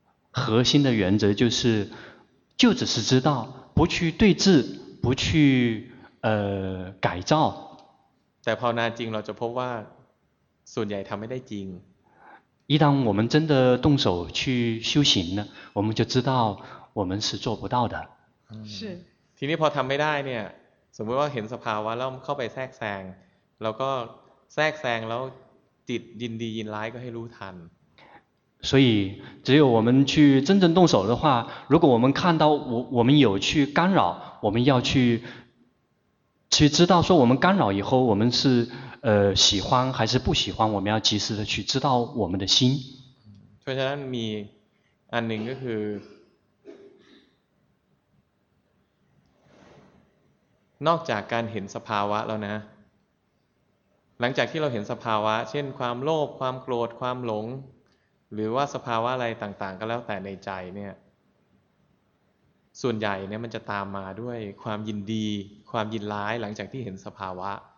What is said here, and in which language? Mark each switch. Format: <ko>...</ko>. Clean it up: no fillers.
<zh>核心的原则就是，就只是知道，不去对峙，不去改造。</zh> <th>แต่พอนานจริงเราจะพบว่าส่วนใหญ่ทำไม่ได้จริง</th> <zh>一旦我们真的动手去修行呢我们就知道我们是做不到的是</zh> <th>ทีนี้พอทำไม่ได้เนี่ยสมมติว่าเห็นสภาวะแล้วเข้าไปแทรกแซงแล้วก็แทรกแซงแล้วจิตยินดียินร้ายก็ให้รู้ทัน</th> <zh>所以只有我们去真正动手的话如果我们看到 我们有去干扰我们要去知道说我们干扰以后我们是喜欢还是不喜欢我们要及时的去知道我们的心所以说你安宁就是</zh> <th>nóc จากการเห็นสภาวะแล้วนะหลังจากที่เราเห็นสภาวะเช่นความโลภความโกรธความหลงหรือว่าสภาวะอะไรต่างๆก็แล้วแต่ในใจเนี่ยส่วนใหญ่เนี่ยมันจะตามมาด้วยความยินดีความยินร้ายหลังจากที่เห็นสภาวะ</th>